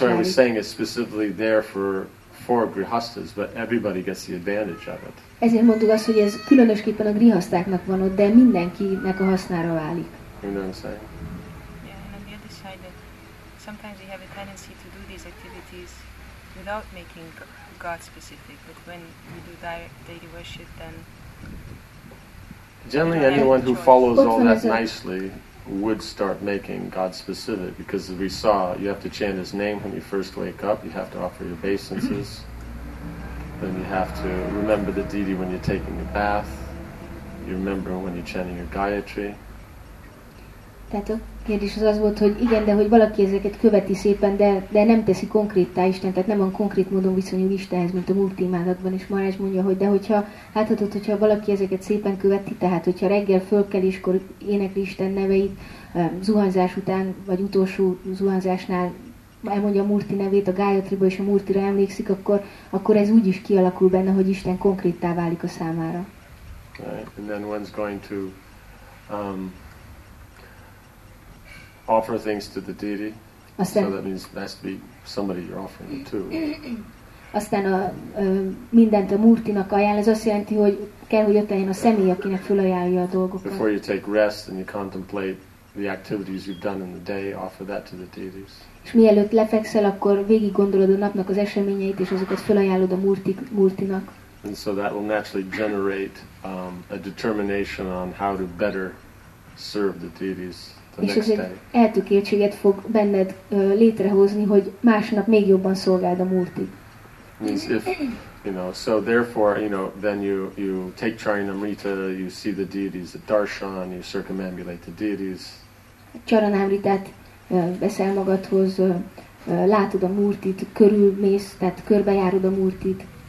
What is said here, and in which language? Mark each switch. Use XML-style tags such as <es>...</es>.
<en>why I was saying it's specifically there for grihasthas, but everybody gets the advantage of it.</en> <hu>Ezért mondtuk azt, hogy ez különösképpen a grihasztáknak van ott, de mindenkinek a hasznára válik.</hu> <en>You know what I'm saying? Yeah, and on the other side, sometimes we have a tendency to do these activities without making God specific, but when we do direct deity worship, then generally anyone who follows all that nicely would start making God specific, because as we saw, you have to chant his name when you first wake up, you have to offer your obeisances, then you have to remember the deity when you're taking your bath, you remember when you're chanting your Gayatri.</en> <hu>Tehát a kérdés az az volt, hogy igen, de hogy valaki ezeket követi szépen, de nem teszi konkréttá Isten, tehát nem van konkrét módon viszonyul Istenhez, mint a múlt imádatban is Marázs mondja, hogy de hogyha láthatod, hogyha valaki ezeket szépen követi, tehát hogyha reggel fölkeléskor énekli Isten neveit, zuhanyzás után, vagy utolsó zuhanyzásnál elmondja a Murti nevét, a Gayatriba és a Murtira emlékszik, akkor ez úgy is kialakul benne, hogy Isten konkréttá válik a számára.</hu> <en>Right. And then one's going to offer things to the deity.</en> <hu>Aztán,</hu> <en>so that means it has to be somebody you're offering it to.</en> <hu>Aztán mindent a Murtinak ajánl, ez azt jelenti, hogy kell, hogy ott legyen a személy, akinek fölajánlja a dolgokat.</hu> <en>Before you take rest and you contemplate the activities you've done in the day, offer that to the deities.</en> <hu>És mielőtt lefekszel, akkor végig gondolod a napnak az eseményeit, és azokat felajánlod a Murtinak.</hu> <en>And so that will naturally generate a determination on how to better serve the deities the next day.</en> <hu>És ez eltökéltséget fog benned létrehozni, hogy másnap még jobban szolgáld a Murtit.</hu> <en>Means if, you know, so therefore, you know, then you take Charanamrita, you see the deities at Darshan, you circumambulate the deities.</en> <hu>Charanamritát beszél magadhoz, látod a Murtit, körülmész, tehát körbejárod a Murtit.</hu>